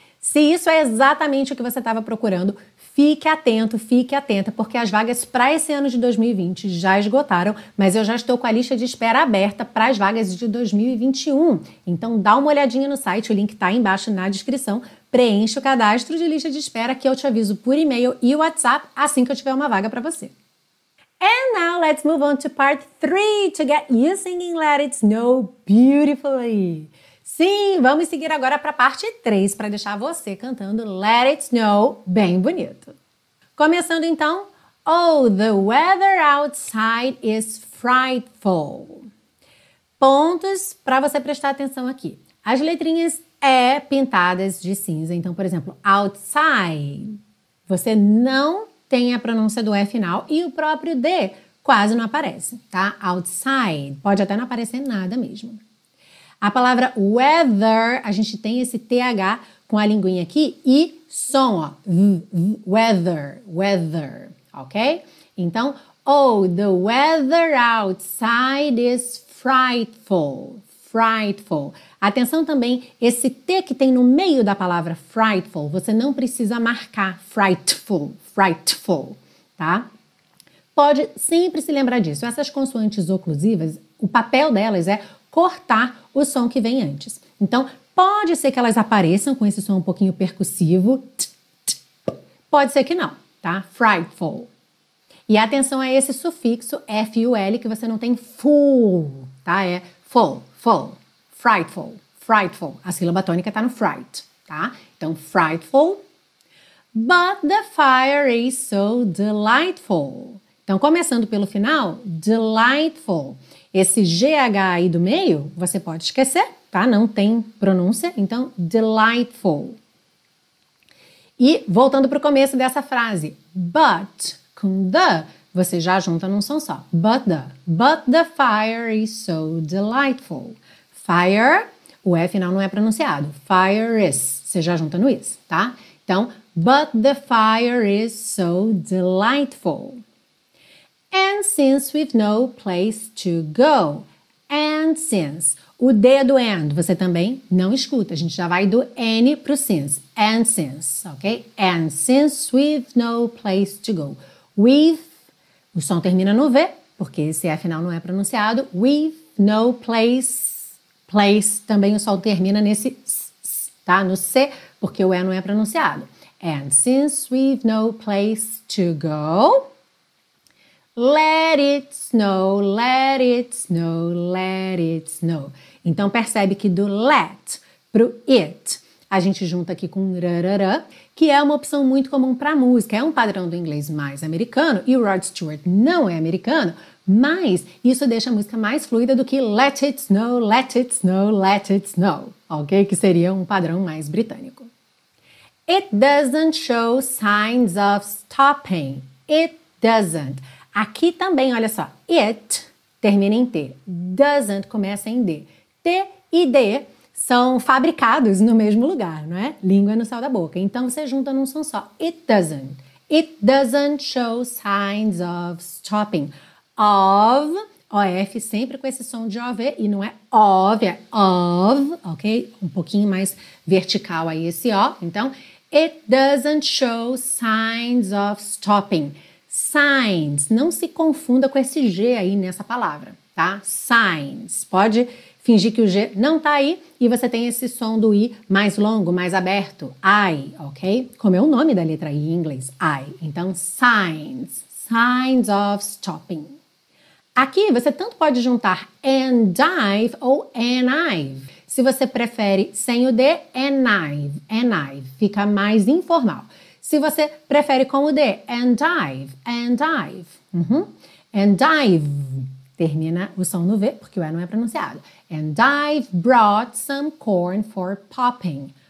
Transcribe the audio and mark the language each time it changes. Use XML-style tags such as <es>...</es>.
<pt>Se isso é exatamente o que você estava procurando, fique atento, fique atenta, porque as vagas para esse ano de 2020 já esgotaram, mas eu já estou com a lista de espera aberta para as vagas de 2021. Então dá uma olhadinha no site, o link está aí embaixo na descrição, preencha o cadastro de lista de espera que eu te aviso por e-mail e WhatsApp assim que eu tiver uma vaga para você.</pt> <en>And now let's move on to part 3 to get you singing Let It Snow beautifully.</en> <pt>Sim, vamos seguir agora para a parte 3, para deixar você cantando Let It Snow bem bonito. Começando então,</pt> <en>oh, the weather outside is frightful.</en> <pt>Pontos para você prestar atenção aqui. As letrinhas E pintadas de cinza. Então, por exemplo, outside. Você não tem a pronúncia do E final e o próprio D quase não aparece, tá? Outside. Pode até não aparecer nada mesmo. A palavra weather, a gente tem esse TH com a linguinha aqui e som, ó.</pt> <en>Weather, weather, ok? Então, oh, the weather outside is frightful, frightful.</en> <pt>Atenção também, esse T que tem no meio da palavra frightful, você não precisa marcar frightful, frightful, tá? Pode sempre se lembrar disso. Essas consoantes oclusivas, o papel delas é cortar o som que vem antes. Então, pode ser que elas apareçam com esse som um pouquinho percussivo. T, t, pode ser que não, tá? Frightful. E atenção a esse sufixo F-U-L que você não tem full, tá? É full, full, frightful, frightful. A sílaba tônica tá no fright, tá? Então, frightful.</pt> <en>But the fire is so delightful.</en> <pt>Então, começando pelo final, delightful. Esse GH aí do meio, você pode esquecer, tá? Não tem pronúncia. Então, delightful. E voltando para o começo dessa frase, but com the, você já junta num som só.</pt> <en>But the fire is so delightful.</en> <pt>Fire, o F final não é pronunciado. Fire is, você já junta no is, tá?</pt> <en>Então, but the fire is so delightful. And since we've no place to go. And since.</en> <pt>O dedo and, você também não escuta. A gente já vai do N pro since.</pt> <en>And since, ok? And since we've no place to go.</en> <pt>We've, o som termina no V, porque esse F final não é pronunciado. We've no place, place, também o som termina nesse S, tá? No C, porque o E não é pronunciado.</pt> <en>And since we've no place to go, let it snow, let it snow, let it snow.</en> <pt>Então percebe que do let pro it, a gente junta aqui com rarara, que é uma opção muito comum para música, é um padrão do inglês mais americano, e o Rod Stewart não é americano, mas isso deixa a música mais fluida do que</pt> <en>let it snow, let it snow,</en> <pt>let it snow, ok? Que seria um padrão mais britânico.</pt> <en>It doesn't show signs of stopping. It doesn't.</en> <pt>Aqui também, olha só. It termina em T. Doesn't começa em D. T e D são fabricados no mesmo lugar, não é? Língua no céu da boca. Então, você junta num som só.</pt> <en>It doesn't. It doesn't show signs of stopping.</en> <pt>Of, O-F, sempre com esse som de O-V. E não é of, é of, ok? Um pouquinho mais vertical aí esse O.</pt> <en>Então, it doesn't show signs of stopping.</en> <pt>Signs, não se confunda com esse G aí nessa palavra, tá? Signs, pode fingir que o G não tá aí e você tem esse som do I mais longo, mais aberto, I, ok? Como é o nome da letra I em inglês, I.</pt> <en>Então, signs, signs of stopping.</en> <pt>Aqui você tanto pode juntar and I've ou and I've. Se você prefere sem o D, and I've, fica mais informal. Se você prefere com o D, and I've, and I've, uhum.</pt> <en>And I've,</en> <pt>termina o som no V, porque o E não é pronunciado.</pt> <en>And I've brought some corn for popping.</en>